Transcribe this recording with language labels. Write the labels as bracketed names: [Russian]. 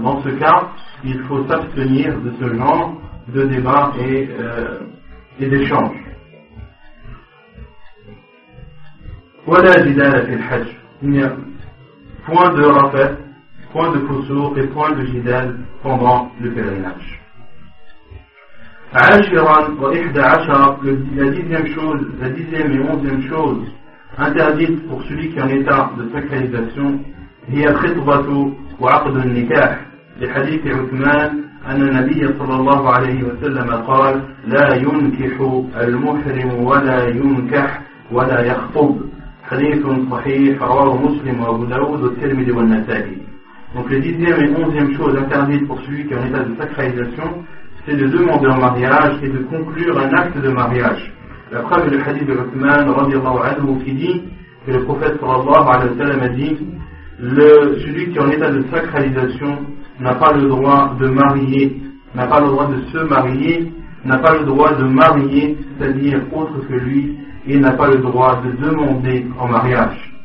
[French] Dans ce cas, il faut s'abstenir de ce genre de débat et d'échange. Voilà jidal fil hajj. Il n'y a point de rafet, point de fousour et point de jidal pendant le pèlerinage. [Arabic] عاشراً وإحدى عشر la dixième et onzième chose interdite pour celui qui est en état de sacralisation هي خطبة وعقد النكاح لحديث عثمان أن النبي صلى الله عليه وسلم قال لا ينكح المحرم ولا ينكح ولا يخطب حديث صحيح رواه مسلم وأبو داود والترمذي والنسائي. [French] Donc la dixième et onzième chose interdite pour celui qui est en état de sacralisation, c'est de demander en mariage et de conclure un acte de mariage. La preuve est le hadith de Uthman radiallahu anhu qui dit que le prophète sallallahu alayhi wa sallam a dit celui qui est en état de sacralisation n'a pas le droit de marier, n'a pas le droit de se marier, n'a pas le droit de marier, c'est-à-dire autre que lui, et n'a pas le droit de demander en mariage.